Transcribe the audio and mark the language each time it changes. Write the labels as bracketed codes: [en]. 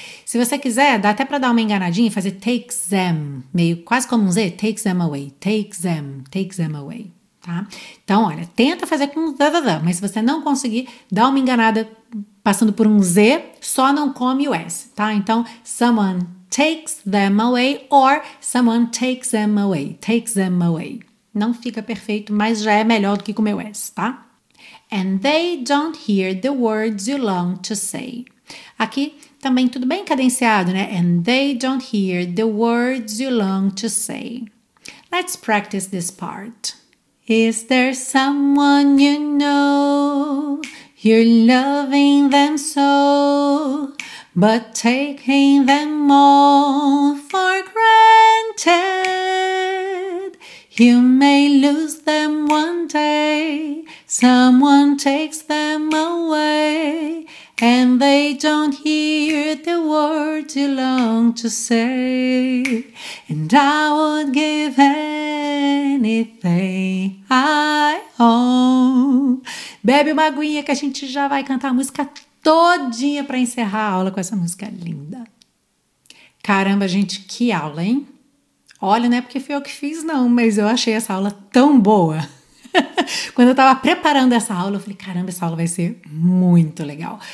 [pt] Se você quiser, dá até pra dar uma enganadinha e fazer takes them, meio quase como um Z, [en] takes them away, takes them away, [pt] tá? Então, olha, tenta fazer com da, mas se você não conseguir, dá uma enganada passando por um Z, só não come o S, tá? [en] Então, someone takes them away or someone takes them away, takes them away. [pt] Não fica perfeito, mas já é melhor do que com o meu S, tá? [en] And they don't hear the words you long to say. [pt] Aqui também tudo bem cadenciado, né? [en] And they don't hear the words you long to say. Let's practice this part. Is there someone you know? You're loving them so, but taking them all for granted. You may lose them one day. Someone takes them away. And they don't hear the words you long to say. And I would give anything I own. [pt] Bebe uma aguinha que a gente já vai cantar a música todinha para encerrar a aula com essa música linda. Caramba, gente, que aula, hein? Olha, não é porque fui eu que fiz, não, mas eu achei essa aula tão boa. Quando eu tava preparando essa aula, eu falei, caramba, essa aula vai ser muito legal.